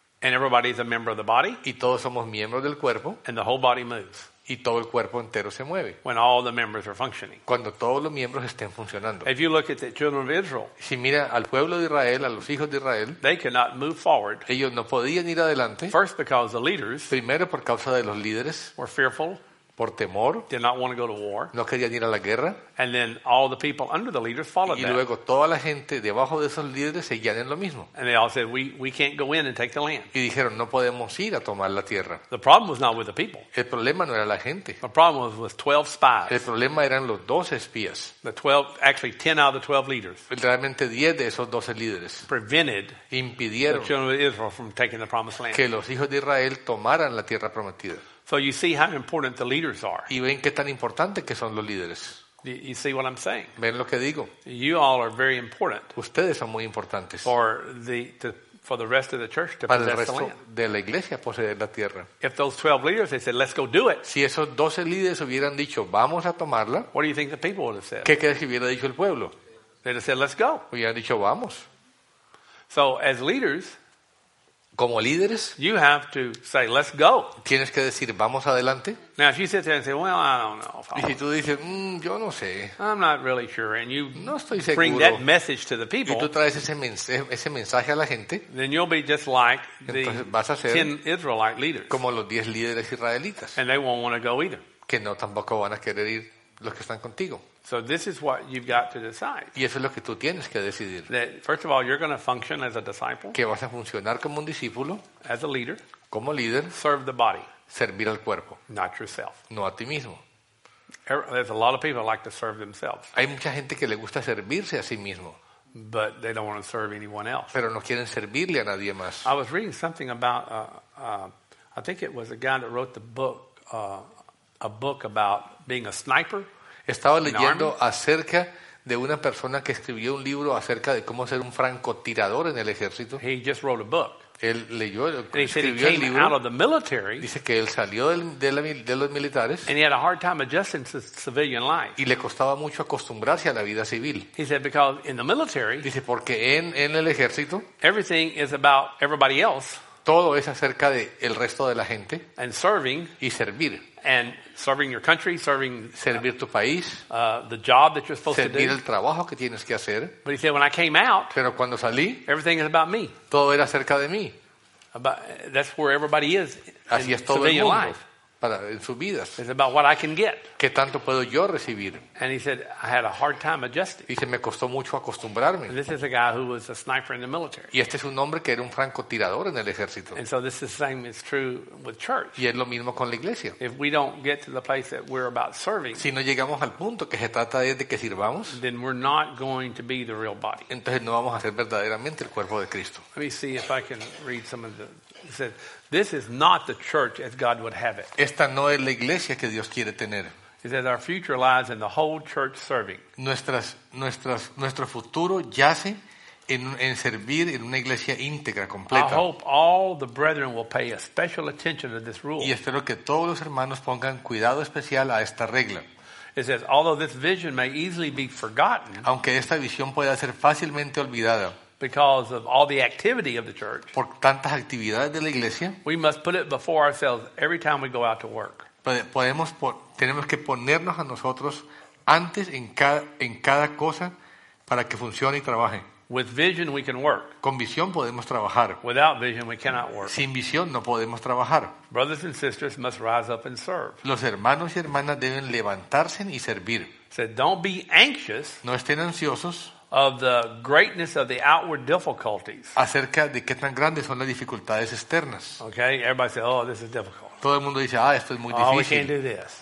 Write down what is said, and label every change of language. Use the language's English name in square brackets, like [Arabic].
[English] And everybody is a member of the body. [Spanish] Y todos somos miembros del cuerpo. [English] And the whole body moves. [Spanish] Y todo el cuerpo entero se mueve. [English] When all the members are functioning. [Spanish] Cuando todos los miembros estén funcionando. [English] If you look at the children of Israel. [Spanish] Si mira al pueblo de Israel, a los hijos de Israel. [English] They cannot move forward. [Spanish] Ellos no podían ir adelante. [English] First because the leaders. [Spanish] Primero por causa de los líderes. [English] Were fearful. [Spanish] Por temor. [English] Did not want to go to war. [Spanish] No querían ir a la guerra. [English] And then all the people under the leaders followed them. [Spanish] Y luego toda la gente debajo de esos líderes seguían en lo mismo. [English] And they all said, we can't go in and take the land. [Spanish] Y dijeron, no podemos ir a tomar la tierra. [English] The problem was not with the people. [Spanish] El problema no era la gente. [English] The problem was with 12 spies. [Spanish] El problema eran los 12 espías. [English] The 12, actually 10 out of the 12 leaders. [Spanish] Realmente 10 de esos 12 líderes. [English] Prevented. [Spanish] Impidieron. [English] The children of Israel from taking the promised land. [Spanish] Que los hijos de Israel tomaran la tierra prometida. [English] So you see how important the leaders are. [Spanish] ¿Y ven qué tan importante que son los líderes? [English] You see what I'm saying? [Spanish] ¿Ven lo que digo? [English] You all are very important. [Spanish] Ustedes son muy importantes. [English] For the rest of the church to possess the land. [Spanish] Para el resto de la iglesia poseer la tierra. [English] If those 12 leaders had said, "Let's go do it." [Spanish] Si esos 12 líderes hubieran dicho, "Vamos a tomarla." [English] What do you think the people would have said? [Spanish] ¿Qué crees que hubiera dicho el pueblo? [English] They'd have said, "Let's go." [Spanish] Hubieran dicho, "Vamos." [English] So as leaders, [Spanish] como líderes, [English] you have to say, "Let's go." [Spanish] Tienes que decir, "Vamos adelante." [English] Now, if you sit there and say, "Well, I don't know," [Spanish] y si tú dices, yo no sé, [English] I'm not really sure, and you [Spanish] no estoy seguro, [English] bring that message to the people, [Spanish] y tú traes ese mensaje a la gente, [English] then you'll be just like the [Spanish] vas a ser [English] 10 Israelite leaders, [Spanish] como los 10 líderes israelitas, [English] and they won't want to go either, [Spanish] que no tampoco van a querer ir los que están contigo. [English] So this is what you've got to decide. [Spanish] Y eso es lo que tú tienes que decidir. [English] That first of all, you're going to function as a disciple. [Spanish] Que vas a funcionar como un discípulo. [English] As a leader. [Spanish] Como líder. [English] Serve the body. [Spanish] Servir al cuerpo. [English] Not yourself. [Spanish] No a ti mismo. [English] There's a lot of people like to serve themselves. [Spanish] Hay mucha gente que le gusta servirse a sí mismo. [English] But they don't want to serve anyone else. [Spanish] Pero no quieren servirle a nadie más. [English] I was reading something about, I think it was a guy that wrote the book, a book about being a sniper. [Spanish] Estaba leyendo acerca de una persona que escribió un libro acerca de cómo ser un francotirador en el ejército. [English] He just wrote a book. [Spanish] Él leyó, escribió el libro. [English] Out of the military, [Spanish] dice que él salió de los militares. [English] And he had a hard time adjusting to civilian life. [Spanish] Y le costaba mucho acostumbrarse a la vida civil. [English] He said because in the military, [Spanish] dice porque en el ejército, [English] everything is about everybody else. [Spanish] Todo es acerca de el resto de la gente. [English] And serving, [Spanish] y servir. [English] And serving your country, serving [Spanish] servir tu país, [English] the job that you're supposed to do, [Spanish] servir el trabajo que tienes que hacer. [English] But he said, when I came out, [Spanish] pero cuando salí, [English] everything is about me. [Spanish] Todo era acerca de mí. [English] About, that's where everybody is. [Spanish] Así [English] in [Spanish] es todo [English] civilian [Spanish] el mundo [English] life. [Spanish] Para en sus vidas. [English] It's about what I can get. [Spanish] ¿Qué tanto puedo yo recibir? [English] And he said, I had a hard time adjusting. [Spanish] Dice, me costó mucho acostumbrarme. [English] And this is a guy who was a sniper in the military. [Spanish] Y este es un hombre que era un francotirador en el ejército. [English] And so this is the same is true with church. [Spanish] Y es lo mismo con la iglesia. [English] If we don't get to the place that we're about serving, [Spanish] si no llegamos al punto que se trata de que sirvamos, [English] then we're not going to be the real body. [Spanish] Entonces no vamos a ser verdaderamente el cuerpo de Cristo. [English] Let me see if I can read some of the. He said, "This is not the church as God would have it." [Spanish] Esta no es la iglesia que Dios quiere tener. [English] He says, "Our future lies in the whole church serving." [Spanish] Nuestro futuro yace en servir en una iglesia íntegra completa. [English] I hope all the brethren will pay a special attention to this rule. [Spanish] Y espero que todos los hermanos pongan cuidado especial a esta regla. [English] It says, "Although this vision may easily be forgotten." [Spanish] Aunque esta visión pueda ser fácilmente olvidada. [English] Because of all the activity of the church, [Spanish] por tantas actividades de la iglesia, [English] we must put it before ourselves every time we go out to work. [Spanish] Podemos Tenemos que ponernos a nosotros antes en cada cosa para que funcione y trabaje. [English] With vision we can work. [Spanish] Con visión podemos trabajar. [English] Without vision we cannot work. [Spanish] Sin visión no podemos trabajar. [English] Brothers and sisters must rise up and serve. [Spanish] Los hermanos y hermanas deben levantarse y servir. [English] So don't be anxious. [Spanish] No estén ansiosos. [English] Of the greatness of the outward difficulties. [Spanish] Acerca de qué tan grandes son las dificultades externas. [English] Okay, everybody say, oh, this is difficult. [Spanish] Todo el mundo dice, esto es muy difícil. [English] Oh, we can't do this.